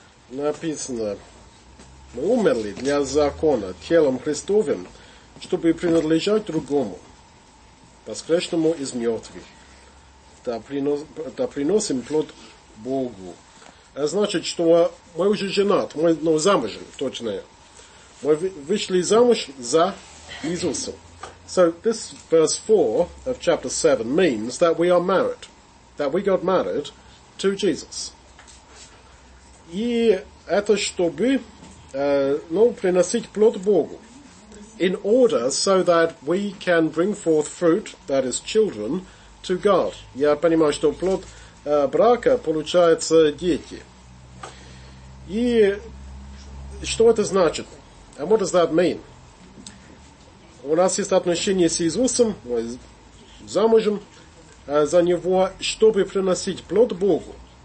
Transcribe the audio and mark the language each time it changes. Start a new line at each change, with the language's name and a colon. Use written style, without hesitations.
Russian: Написано: мы умерли для закона телом Христовым, чтобы принадлежать другому, воскресшему из мертвых, да приносим плод Богу. Это значит, что мы уже женат, мы замужем, точнее. Мы вышли замуж за Иисуса.
English: So this verse 4 of chapter 7 means that we are married, that we got married to Jesus.
Russian: И это чтобы приносить плод Богу.
English: In order so that we can bring forth fruit, that is children, to God.
Russian: Я понимаю, что плод брака получается дети. И что это значит?
English: And what does that mean?
Russian: У нас есть отношения с Иисусом, мы замужем за Него, чтобы приносить плод Богу.